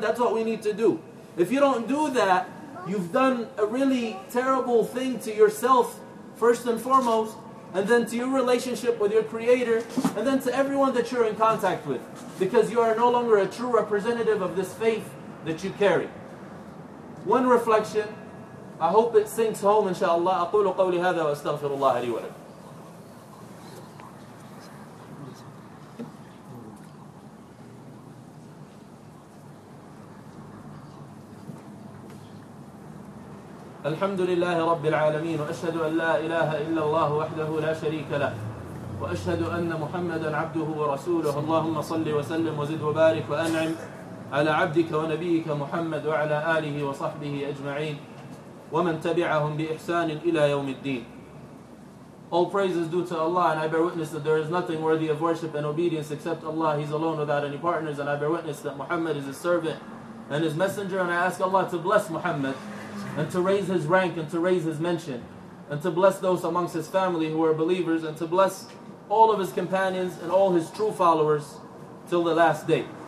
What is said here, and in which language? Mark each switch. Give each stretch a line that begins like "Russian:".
English: That's what we need to do. If you don't do that, you've done a really terrible thing to yourself, first and foremost, and then to your relationship with your Creator, and then to everyone that you're in contact with, because you are no longer a true representative of this faith that you carry. One reflection, I hope it sinks home, inshallah.
Arabic: أقول قولي هذا وأستغفر الله لي ولكم. الحمد لله رب العالمين وأشهد أن لا إله إلا الله وحده لا شريك له وأشهد أن محمدا عبده ورسوله اللهم صل وسلم وزد وبارك وأنعم على عبدك ونبيك محمد وعلى آله وصحبه أجمعين ومن تبعهم بإحسان إلى يوم الدين.
English: All praises due to Allah, and I bear witness that there is nothing worthy of worship and obedience except Allah. He's alone without any partners, and I bear witness that Muhammad is his servant and his messenger, and I ask Allah to bless Muhammad and to raise his rank and to raise his mention, and to bless those amongst his family who are believers, and to bless all of his companions and all his true followers till the last day.